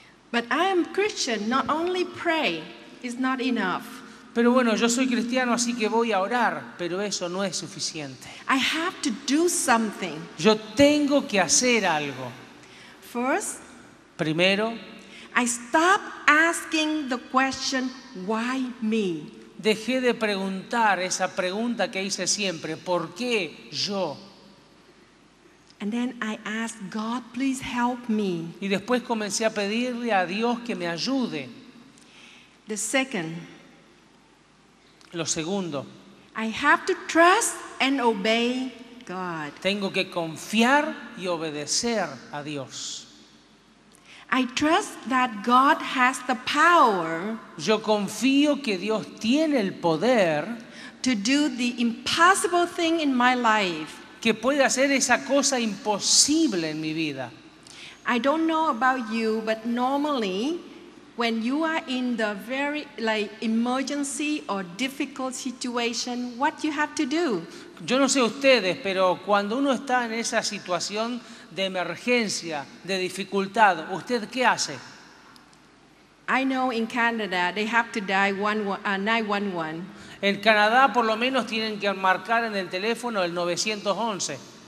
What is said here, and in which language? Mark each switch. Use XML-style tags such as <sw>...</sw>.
<en>But I am Christian, not only pray is not enough.</en> <es>Pero bueno, yo soy cristiano, así que voy a orar, pero eso no es suficiente.</es> <en>I have to do something.</en> <es>Yo tengo que hacer algo.</es> <en>First,</en> <es>primero,</es> <en>I stop asking the question, why me?</en> <es>Dejé de preguntar esa pregunta que hice siempre, ¿por qué yo?</es> <en>And then I ask God, please help me.</en> <es>Y después comencé a pedirle a Dios que me ayude.</es> <en>The second.</en> <es>Lo segundo.</es> <en>I have to trust and obey God.</en> <es>Tengo que confiar y obedecer a Dios.</es> <en>I trust that God has the power.</en> <es>Yo confío que Dios tiene el poder</es> <en>to do the impossible thing in my life.</en> <es>Que puede hacer esa cosa imposible en mi vida.</es> <en>I don't know about you, but normally when you are in the very like emergency or difficult situation, what you have to do?</en> <es>Yo no sé ustedes, pero cuando uno está en esa situación de emergencia, de dificultad, ¿usted qué hace?</es> <en>I know in Canada they have to dial 911.</en> <es>En Canadá, por lo menos, tienen que marcar en el teléfono el 911.</es>